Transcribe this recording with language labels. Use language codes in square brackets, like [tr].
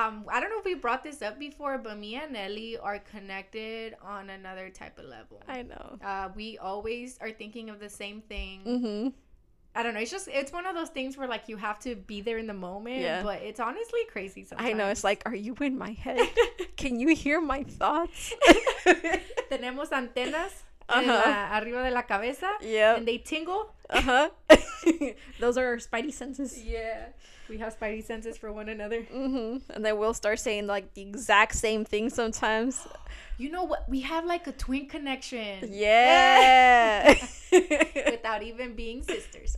[en] I don't know if we brought this up before, but me and Ellie are connected on another type of level. I know. We always are thinking of the same thing. Mm-hmm. I don't know. It's just, it's one of those things where, like, you have to be there in the moment. Yeah. But it's honestly crazy sometimes. I know. It's like, are you in my head? Can you hear my thoughts? [es] Tenemos antenas arriba de la cabeza. [en] Yeah. And they tingle. Uh-huh. Those are our spidey senses. Yeah. We have spidey senses for one another. Mm-hmm. And then we'll start saying, like, the exact same thing sometimes. You know what? We have, like, a twin connection. Yeah. Without even being sisters.